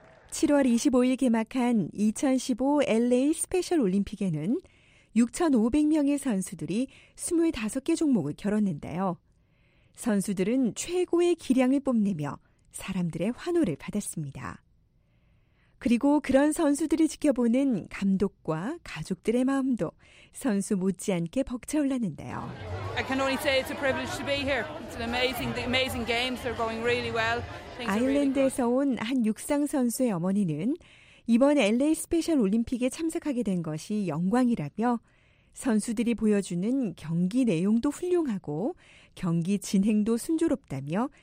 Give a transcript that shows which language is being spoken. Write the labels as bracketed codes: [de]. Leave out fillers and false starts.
[ko] 7월 25일 개막한 2015 LA 스페셜 올림픽에는 6,500명의 선수들이 25개 종목을 겨뤘는데요. 선수들은 최고의 기량을 뽐내며 사람들의 환호를 받았습니다. 그리고 그런 선수들이 지켜보는 감독과 가족들의 마음도 선수 못지않게 벅차올랐는데요. [en] I can only say it's a privilege to be here. It's an amazing games. They're going really well. [ko] 아일랜드에서 온 한 육상 선수의 어머니는 이번 LA 스페셜 올림픽에 참석하게 된 것이 영광이라며 선수들이 보여주는 경기 내용도 훌륭하고 경기 진행도 순조롭다며